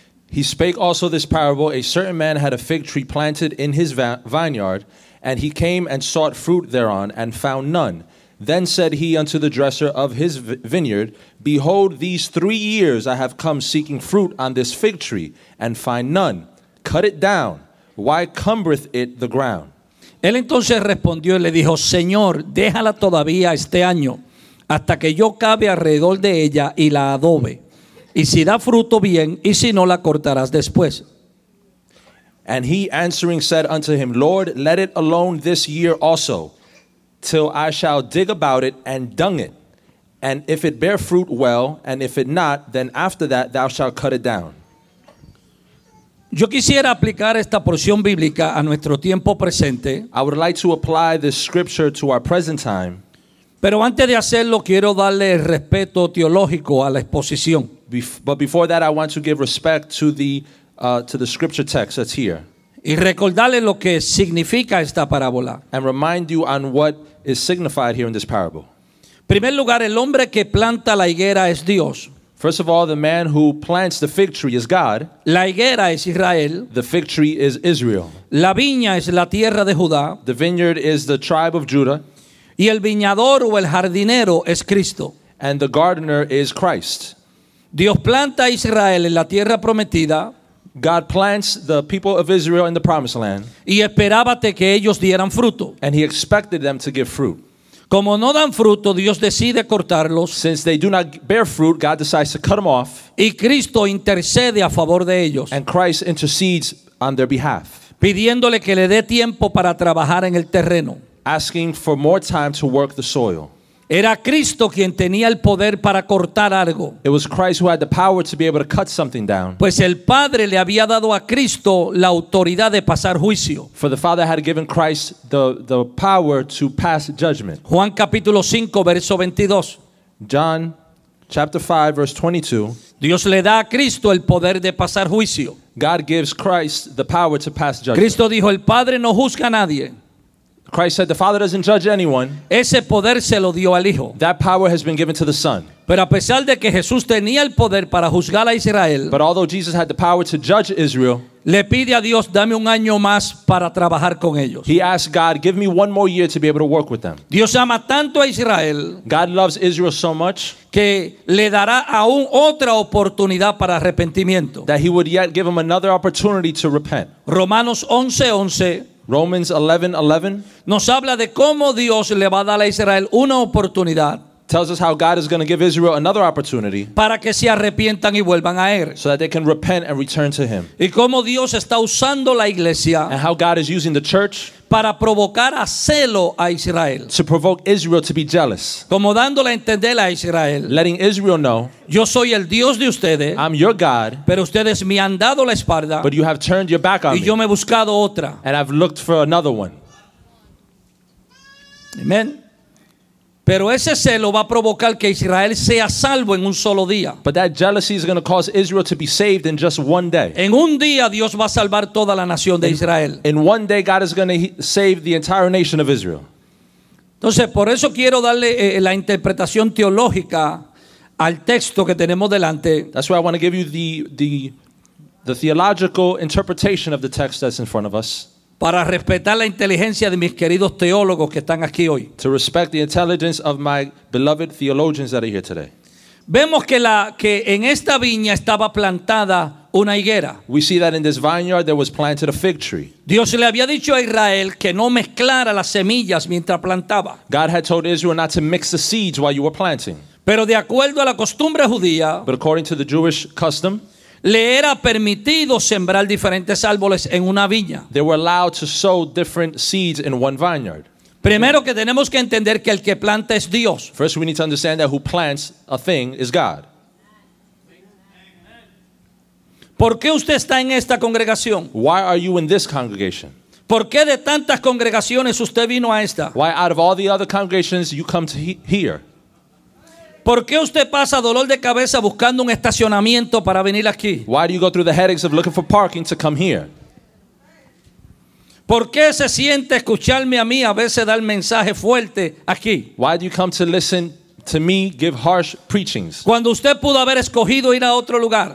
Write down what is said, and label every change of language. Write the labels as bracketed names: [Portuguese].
[English] He spake also this parable, a certain man had a fig tree planted in his vineyard, and he came and sought fruit thereon, and found none. Then said he unto the dresser of his vineyard, Behold, these 3 years I have come seeking fruit on this fig tree, and find none. Cut it down. Why cumbereth it the ground? [Spanish] Él entonces respondió y le dijo, Señor, déjala todavía este año, hasta que yo cabe alrededor de ella y la adobe. Y si da fruto bien, y si no, la cortarás después. [English] And he answering said unto him, Lord, let it alone this year also, till I shall dig about it and dung it. And if it bear fruit, well, and if it not, then after that thou shalt cut it down. [Spanish] Yo quisiera aplicar esta porción bíblica a nuestro tiempo presente. [English] I would like to apply this scripture to our present time. [Spanish] Pero antes de hacerlo, quiero darle respeto teológico a la exposición. [English] But before that, I want to give respect to the scripture text that's here. [Spanish] Y recordarle lo que significa esta parábola. [English] And remind you on what is signified here in this parable. [Spanish] Primer lugar, el hombre que planta la higuera es Dios. [English] First of all, the man who plants the fig tree is God. [Spanish] La higuera es Israel. [English] The fig tree is Israel. [Spanish] La viña es la tierra de Judá. [English] The vineyard is the tribe of Judah. [Spanish] Y el viñador o el jardinero es Cristo. [English] And the gardener is Christ. [Spanish] Dios planta a Israel en la tierra prometida. [English] God plants the people of Israel in the promised land. [Spanish] Y esperábate que ellos dieran fruto. [English] And he expected them to give fruit. [Spanish] Como no dan fruto, Dios decide cortarlos. [English] Since they do not bear fruit, God decides to cut them off. [Spanish] Y Cristo intercede a favor de ellos. [English] And Christ intercedes on their behalf. [Spanish] Pidiéndole que le dé tiempo para trabajar en el terreno. [English] Asking for more time to work the soil. [Spanish] Era Cristo quien tenía el poder para cortar algo. [English] It was Christ who had the power to be able to cut something down. [Spanish] Pues el Padre le había dado a Cristo la autoridad de pasar juicio. [English] For the Father had given Christ the power to pass judgment. [Spanish] Juan capítulo 5, verso 22. [English] John chapter 5, verse 22. [Spanish] Dios le da a Cristo el poder de pasar juicio. [English] God gives Christ the power to pass judgment. [Spanish] Cristo dijo, el Padre no juzga a nadie. [English] Christ said, the Father doesn't judge anyone. [Spanish] Ese poder se lo dio al Hijo. [English] That power has been given to the Son. [Spanish] Pero a pesar de que Jesús tenía el poder para juzgar a Israel, [English] but although Jesus had the power to judge Israel, [Spanish] le pide a Dios, dame un año más para trabajar con ellos. [English] He asked God, give me one more year to be able to work with them. [Spanish] Dios ama tanto a Israel, [English] God loves Israel so much, [Spanish] que le dará aún otra oportunidad para arrepentimiento. [English] That he would yet give him another opportunity to repent. [Spanish] Romanos 11:11. [English] Romans 11:11 [Spanish] nos habla de cómo Dios le va a dar a Israel una oportunidad. [English] Tells us how God is going to give Israel another opportunity. [Spanish] Para que se arrepientan y vuelvan a él. [English] So that they can repent and return to him. [Spanish] Y cómo Dios está usando la iglesia. [English] And how God is using the church. [Spanish] Para provocar a celo a Israel. [English] To provoke Israel to be jealous. [Spanish] Como dándole a entender a Israel. [English] Letting Israel know. [Spanish] Yo soy el Dios de ustedes. [English] I'm your God. [Spanish] Pero ustedes me han dado la espalda. [English] But you have turned your back on me. [Spanish] Y yo me he buscado otra. [English] And I've looked for another one. Amen. [Spanish] Pero ese celo va a provocar que Israel sea salvo en un solo día. [English] But that jealousy is going to cause Israel to be saved in just one day. [Spanish] En un día Dios va a salvar toda la nación de Israel. [English] In one day God is going to save the entire nation of Israel. [Spanish] Entonces, por eso quiero darle la interpretación teológica al texto que tenemos delante. [English] That's why I want to give you the theological interpretation of the text that's in front of us. [Spanish] Para respetar la inteligencia de mis queridos teólogos que están aquí hoy. [English] To respect the intelligence of my beloved theologians that are here today. [Spanish] Vemos que en esta viña estaba plantada una higuera. [English] We see that in this vineyard there was planted a fig tree. [Spanish] Dios le había dicho a Israel que no mezclara las semillas mientras plantaba. [English] God had told Israel not to mix the seeds while you were planting. [Spanish] Pero de acuerdo a la costumbre judía, [English] but according to the Jewish custom, [Spanish] le era permitido sembrar diferentes árboles en una viña. [English] They were allowed to sow different seeds in one vineyard. [Spanish] Primero que tenemos que entender que el que planta es Dios. [English] First we need to understand that who plants a thing is God. [Spanish] ¿Por qué usted está en esta congregación? [English] Why are you in this congregation? [Spanish] ¿Por qué de tantas congregaciones usted vino a esta? [English] Why out of all the other congregations you come to here? [Spanish] ¿Por qué usted pasa dolor de cabeza buscando un estacionamiento para venir aquí? [English] Why do you go through the headaches of looking for parking to come here? [Spanish] ¿Por qué se siente escucharme a mí a veces dar mensaje fuerte aquí? [English] Why do you come to listen to me give harsh preachings? [Spanish] Cuando usted pudo haber escogido ir a otro lugar.